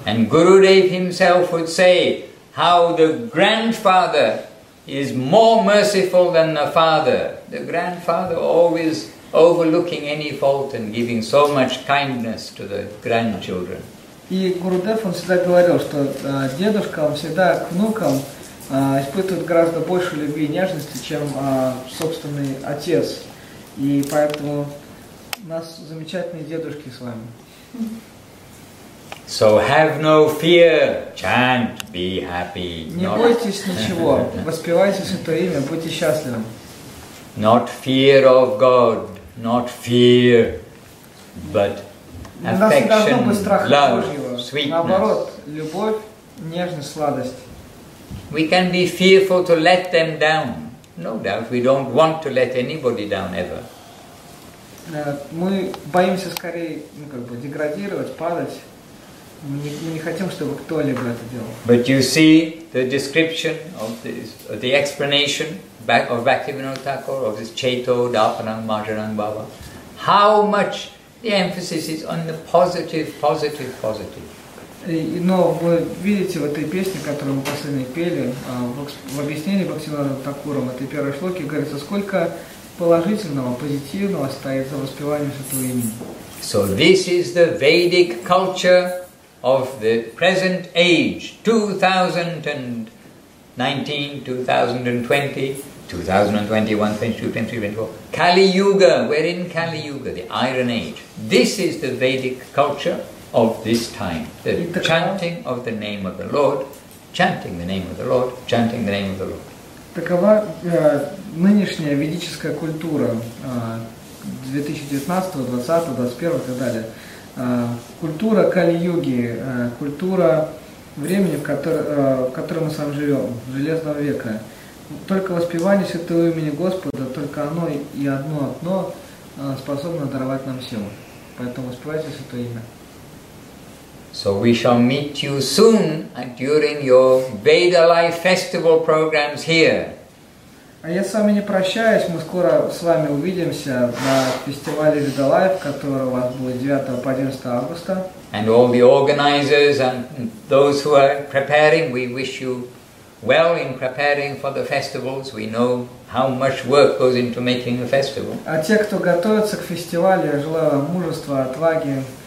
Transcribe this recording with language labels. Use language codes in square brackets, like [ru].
[en] And Gurudev himself would say, how the grandfather is more merciful than the father. The grandfather always overlooking any fault and giving so much kindness to the grandchildren. [ru] И Гурудев, он всегда говорил, что дедушка, он всегда к внукам испытывает гораздо больше любви и нежности, чем собственный отец. И поэтому у нас замечательные дедушки с вами. [en] So have no fear, chant, be happy. [ru] Не бойтесь ничего, воспевайте Святое Имя, будьте счастливы. [en] Not fear of God, not fear, but affection, love, sweetness. [ru] Наоборот, любовь, нежность, сладость. [en] We can be fearful to let them down. No doubt, we don't want to let anybody down ever. [ru] Мы боимся скорее, ну как бы деградировать, падать. Мы не хотим, чтобы кто-либо это делал. [en] But you see the description of this, the explanation back of Bhaktivinoda Thakur of this Cheto Dapanam Marjanam Baba. How much the emphasis is on the positive, positive, positive. [ru] Но вы видите в этой песне, которую мы последние пели, в объяснении Бхактивинода Такура, в этой первой шлоке, говорится, сколько положительного, позитивного стоит за воспеванием Святого Имени. [en] So this is the Vedic culture of the present age, 2019, 2020, 2021, 22, 23, 24, Kali Yuga, we're in Kali Yuga, the Iron Age. This is the Vedic culture of this time, the chanting of the name of the Lord, chanting the name of the Lord, chanting the name of the Lord. [ru] Такова нынешняя ведическая культура 2019, 20, 21 и так далее. Культура Кали-Юги, культура времени, в котором мы с вами живем, Железного века. Только воспевание святого имени Господа, только оно и одно одно способно даровать нам силу. Поэтому воспевайте святое имя. [en] So we shall meet you soon during your Veda Life Festival programs here. [ru] А я с вами не прощаюсь, мы скоро с вами увидимся на фестивале Veda Life, который у вас будет 9 по 11 августа. [en] And all the organizers and those who are preparing, we wish you well in preparing for the festivals. We know how much work goes into making a festival. [ru] А те, кто готовится к фестивалю, я желаю вам мужества, отваги.